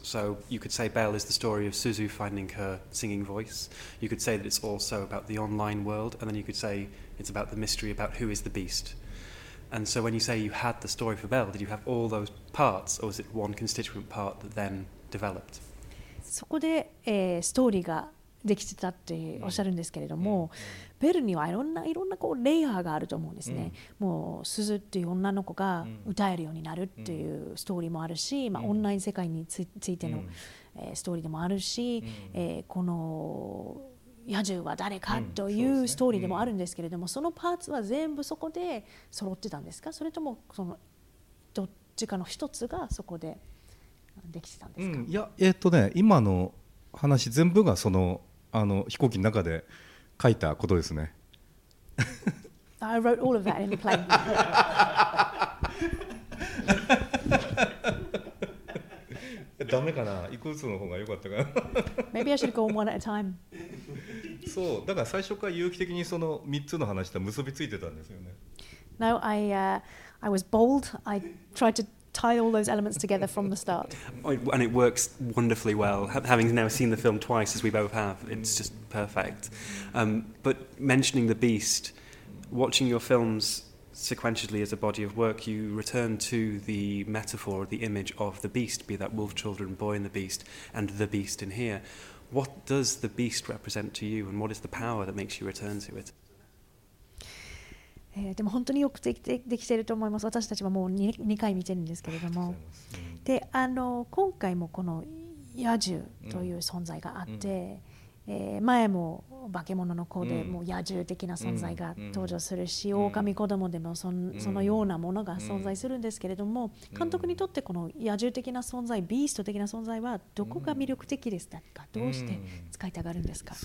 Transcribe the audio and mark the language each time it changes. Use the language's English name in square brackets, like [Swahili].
[English] So you could say Belle is the story of Suzu finding her singing voice. You could say that it's also about the online world. And then you could say it's about the mystery about who is the beast. And so when you say you had the story for Belle, did you have all those parts, or was it one constituent part that then developed? [Japanese] そこで、ストーリーができてたっておっしゃるんですけれども、ベルにはいろんなこうレイヤーがあると思うんですね。もう鈴っていう女の子が歌えるようになるっていうストーリーもあるし、まあオンライン世界についての、ストーリーでもあるし、この野獣は誰かというストーリーでもあるんですけれども、そのパーツは全部そこで揃ってたんですか、それともそのどっちかの一つがそこでできてたんですか。いや、今の話全部がその、あの飛行機の中で書いたことですね。 [English] I wrote all of that in the plane. [Japanese] ダメかな、いくつの方が良かったかな。 [English] Maybe I should go on one at a time. [Japanese] そう、だから最初から有機的にその3つの話と結びついてたんですよね。 [English] No, I was bold. I tried to tie all those elements together from the start. And it works wonderfully well. Having now seen the film twice, as we both have, it's just perfect. But mentioning the beast, watching your films sequentially as a body of work, you return to the metaphor, the image of the beast, be that Wolf Children, Boy and the Beast, and the beast in here. What does the beast represent to you, and what is the power that makes you return to it? [Japanese] でも本当によくできていると思います。私たちはもう 2回見てるんですけれども、で、あの今回もこの野獣という存在があって、前も化け物の子でもう野獣的な存在が登場するし、狼子供でも そのようなものが存在するんですけれども、監督にとってこの野獣的な存在、ビースト的な存在はどこが魅力的でしたか、どうして使いたがるんですか。